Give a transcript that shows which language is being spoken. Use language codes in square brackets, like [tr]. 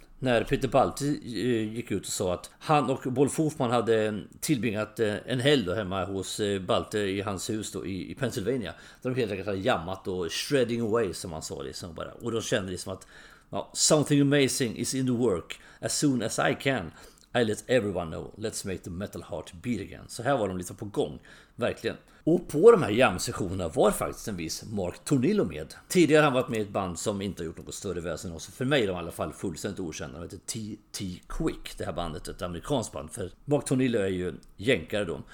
[sv] När Peter Balti gick ut och sa att han och Wolf Hoffman hade tillbringat en helg då hemma hos Balti i hans hus då i Pennsylvania. Där de helt enkelt hade jammat och [en] shredding away [sv] som han sa liksom bara. Och då kände liksom att [en] something amazing is in the work. As soon as I can, I let everyone know. Let's make the metal heart beat again. [sv] Så här var de liksom på gång, verkligen. Och på de här jam-sessionerna var faktiskt en viss Mark Tornillo med. Tidigare har han varit med i ett band som inte har gjort något större väsen. Och så för mig är de i alla fall fullständigt okända. De heter T.T. Quick, det här bandet, ett amerikanskt band. För Mark Tornillo är ju jänkare då.